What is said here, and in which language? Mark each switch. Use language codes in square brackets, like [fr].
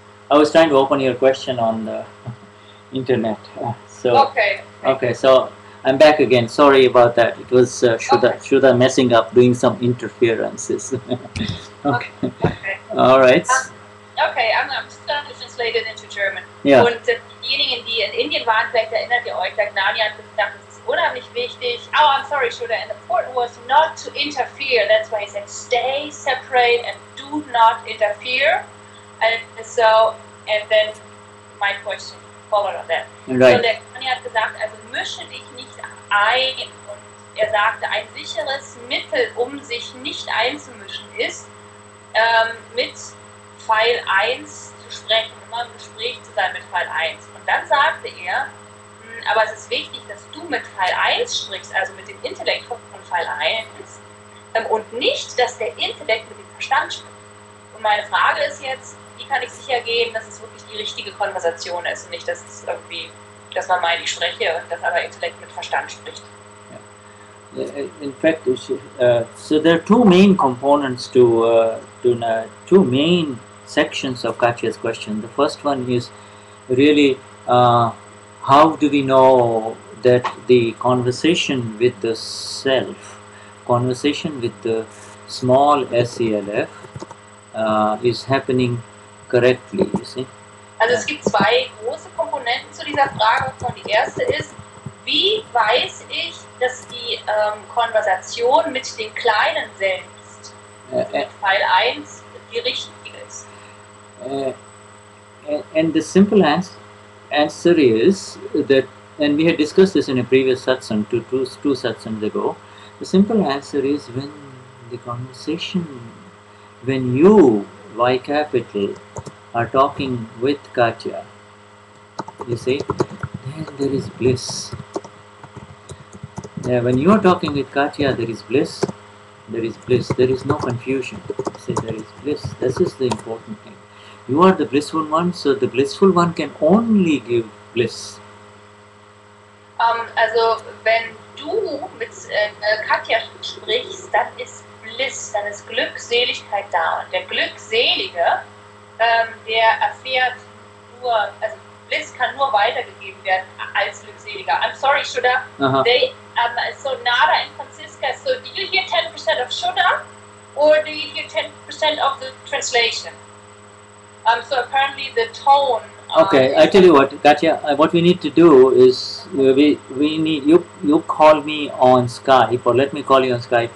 [en] I was trying to open your question on the internet. So okay, so I'm back again. Sorry about that. It was Shuddha messing up, doing some interferences. Okay. All right. I'm just going to translate it into German. Yeah. [de] Und diejenigen, die in Indien waren, vielleicht erinnert ihr euch, der Gnani hat gesagt, es ist unheimlich wichtig. [en] Oh, I'm sorry, Shuddha. And the important was not to interfere. That's why he said, stay separate and do not interfere. And then my question followed on that. Right. [de] So der Gnani hat gesagt, also mische dich nicht ein. Und er sagte, ein sicheres Mittel, um sich nicht einzumischen, ist mit Pfeil 1 zu sprechen, immer im Gespräch zu sein mit Pfeil 1. Und dann sagte er, aber es ist wichtig, dass du mit Pfeil 1 sprichst, also mit dem Intellekt von Pfeil 1, und nicht, dass der Intellekt mit dem Verstand spricht. Und meine Frage ist jetzt, wie kann ich sicher gehen, dass es wirklich die richtige Konversation ist und nicht, dass es irgendwie, dass man meint, ich spreche und dass aber Intellekt mit Verstand spricht. [en] In fact, so there are two main components to two main sections of Katja's question. The first one is really how do we know that the conversation with the self, conversation with the small SELF, is happening correctly, you see? [de] Also es gibt zwei große Komponenten zu dieser Frage. Und die erste ist, wie weiß ich, dass die Konversation mit den kleinen selbst, mit Pfeil 1, die richtige ist? [en] And the simple answer is that, and we had discussed this in a previous satsang, two satsangs ago, the simple answer is when the conversation, when you, Y capital, are talking with Katja, you see, then there is bliss. Yeah, when you are talking with Katja, there is bliss. There is bliss. There is no confusion. You see, there is bliss. This is the important thing. You are the blissful one, so the blissful one can only give bliss. [de] Also, when du mit Katja sprichst, dann ist Bliss, dann ist Glückseligkeit da. Und der Glückselige, der erfährt nur, also Bliss kann nur weitergegeben werden als Glückseliger. [en] I'm sorry, Shuddha. Uh-huh. They, so Nara and Franziska, so do you hear 10% of Shuddha or do you hear 10% of the translation? So apparently the tone. Okay, I tell you what, Katja. What we need to do is we need you call me on Skype, or let me call you on Skype.